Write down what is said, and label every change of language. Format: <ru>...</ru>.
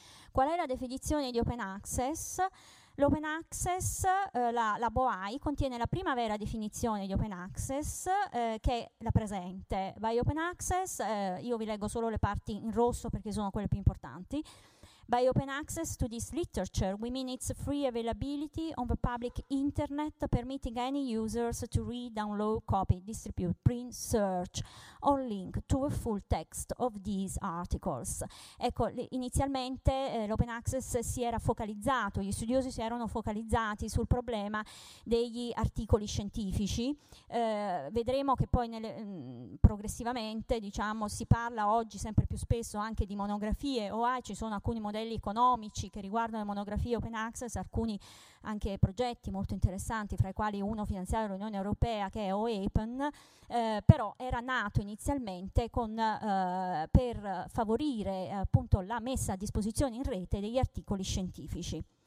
<it>Qual è la definizione di open access? L'open access, la BOAI, contiene la prima vera definizione di open access, che è la presente.</it> <en>By open access,</en> <it>io vi leggo solo le parti in rosso perché sono quelle più importanti.</it> <en>By open access to this literature, we mean its free availability on the public internet, permitting any users to read, download, copy, distribute, print, search, or link to the full text of these articles.</en> <it>Ecco, inizialmente l'open access si era focalizzato, gli studiosi si erano focalizzati sul problema degli articoli scientifici. Vedremo che poi progressivamente, diciamo, si parla oggi sempre più spesso anche di monografie, ci sono alcuni modelli economici che riguardano le monografie open access, alcuni anche progetti molto interessanti, fra i quali uno finanziato dall'Unione Europea che è OAPEN, però era nato inizialmente per favorire appunto la messa a disposizione in rete degli articoli scientifici.</it>